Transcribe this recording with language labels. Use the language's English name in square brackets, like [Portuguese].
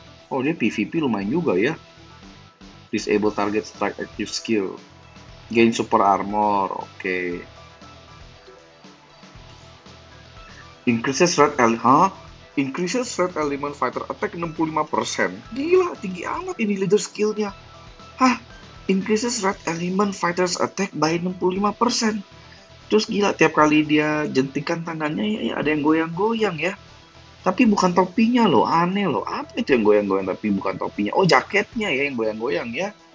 [Indonesian] Oh dia PvP lumayan juga ya. [English] Disable target strike active skill. Gain super armor, oke. Okay. Increases red element, huh? Increases red element fighter attack 65%. [Indonesian] Gila, tinggi amat ini leader skillnya. Hah? [English] Increases red element fighter's attack by 65%. [Indonesian] Terus gila, tiap kali dia jentikan tangannya ya ada yang goyang-goyang ya. Tapi bukan topinya loh, aneh loh. Apa itu yang goyang-goyang tapi bukan topinya? Oh, jaketnya ya yang goyang-goyang ya.